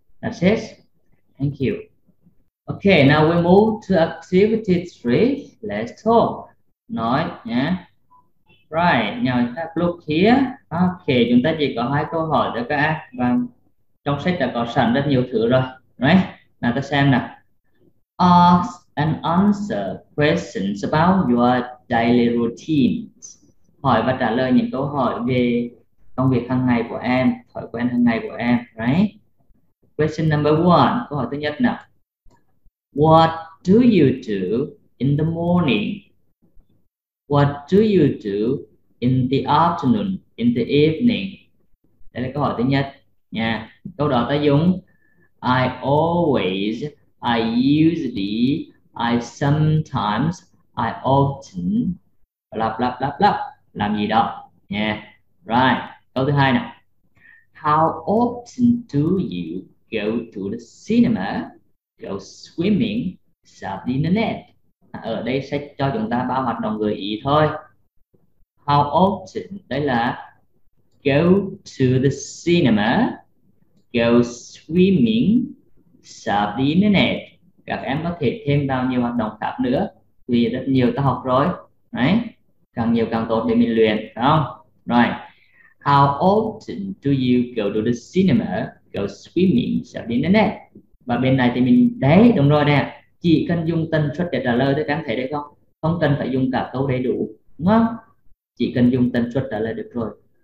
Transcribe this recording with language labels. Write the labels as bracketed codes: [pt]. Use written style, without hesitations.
[en] That's it. Thank you. Ok, now we move to activity 3. Let's talk. [vi] Nói nhé. [en] Right, now we have look here. [vi] Ok, chúng ta chỉ có hai câu hỏi thôi các em. Và trong sách đã có sẵn rất nhiều thứ rồi. Right, nào ta xem nào. [en] Ask and answer questions about your daily routines. [vi] Hỏi và trả lời những câu hỏi về công việc hàng ngày của em, thói quen hàng ngày của em. Right. [en] Question number one, [vi] câu hỏi thứ nhất nào. [en] What do you do in the morning? What do you do in the afternoon, in the evening? [vi] Đây là câu hỏi thứ nhất nha. Câu đó ta dùng [en] I always, I usually, I sometimes, I often, blah blah blah blah. [vi] Làm gì đó nha. Right. Câu thứ hai nè. [en] How often do you go to the cinema, go swimming, surf the internet? [vi] Ở đây sẽ cho chúng ta ba hoạt động gợi ý thôi. [en] How often, [vi] đấy là [en] go to the cinema, go swimming, surf the internet. [vi] Các em có thể thêm bao nhiêu hoạt động khác nữa, vì rất nhiều ta học rồi. Đấy, càng nhiều càng tốt để mình luyện, phải không? Rồi. [en] How often do you go to the cinema, go swimming, surf the internet? [vi] Và bên này thì mình, đấy, đúng rồi nè. Chỉ cần dùng tần suất để trả lời thôi, các em thấy đấy không? Không cần phải dùng cả câu đầy đủ, đúng không? Chỉ cần dùng tần suất trả lời được rồi.